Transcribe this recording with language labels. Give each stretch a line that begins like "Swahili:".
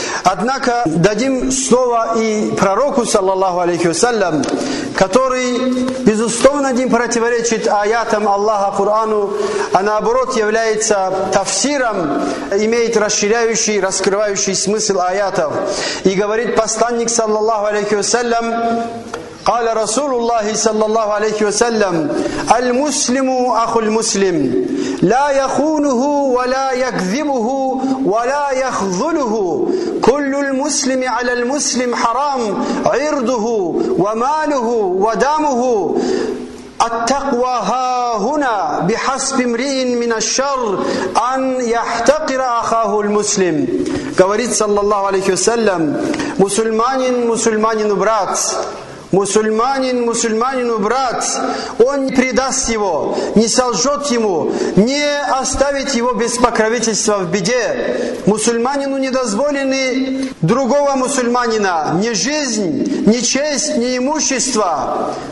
Russian: Однако дадим слово и пророку, саллаллаху алейхи ва саллям, который безусловно не противоречит аятам Аллаха, Корану, а наоборот является тафсиром, имеет расширяющий, раскрывающий смысл аятов. И говорит посланник,
Arabic: саллаллаху алейхи ва саллям, قال رسول الله صلى الله عليه وسلم المسلم أخو المسلم لا يخونه ولا يكذبه ولا يخذله كل المسلم على المسلم حرام عرضه وماله ودمه التقوى ها هنا بحسب امرئ من الشر أن يحتقر أخاه المسلم.
Russian: Говорит
Arabic: صلى الله عليه وسلم:
Russian: مسلمان مسلمان брат. Мусульманин мусульманину брат, он не предаст его, не солжет ему, не оставит его без покровительства в беде. Мусульманину не дозволены другого мусульманина ни жизнь, ни честь, ни имущество.